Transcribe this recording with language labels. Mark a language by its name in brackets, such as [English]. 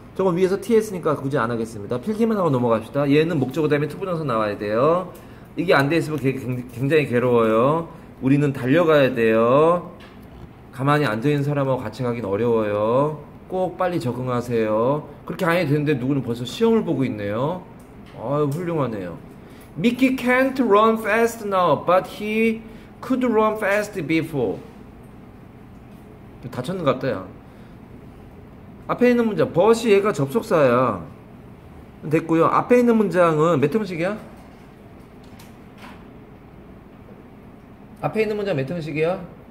[Korean] 저건 위에서 T했으니까 굳이 안 하겠습니다. 필기만 하고 넘어갑시다. 얘는 목적어 다음에 투부정사 나와야 돼요. 이게 안 돼있으면 굉장히 괴로워요. 우리는 달려가야 돼요. 가만히 앉아있는 사람하고 같이 가긴 어려워요. 꼭 빨리 적응하세요. 그렇게 안 해도 되는데 누구는 벌써 시험을 보고 있네요. 아유, 훌륭하네요. [English] Mickey can't run fast now, but he could run fast before. [Korean] 다쳤는 것 같다, 야. 앞에 있는 문장, 버시 얘가 접속사야. 됐고요. 앞에 있는 문장은 몇 형식이야? 앞에 있는 문장 몇 형식이야?